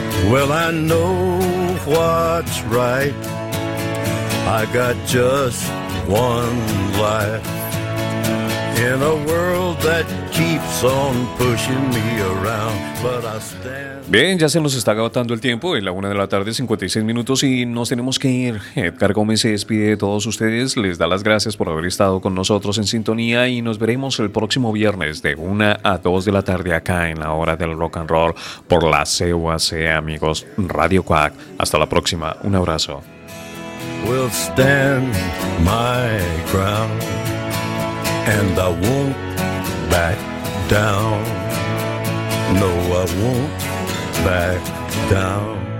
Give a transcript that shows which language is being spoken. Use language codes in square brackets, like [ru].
[en] Well, I know what's right. I got just one life. In a world that keeps on pushing me around, but I stand. [es] Bien, ya se nos está agotando el tiempo. Es la 1:56 y nos tenemos que ir. Edgar Gómez se despide de todos ustedes. Les da las gracias por haber estado con nosotros en sintonía y nos veremos el próximo viernes de 1 a 2 de la tarde acá en la Hora del Rock and Roll por la CUAC, amigos. Radio Quack. Hasta la próxima. Un abrazo. [en] We'll stand my ground, and I won't back down. No, I won't back down.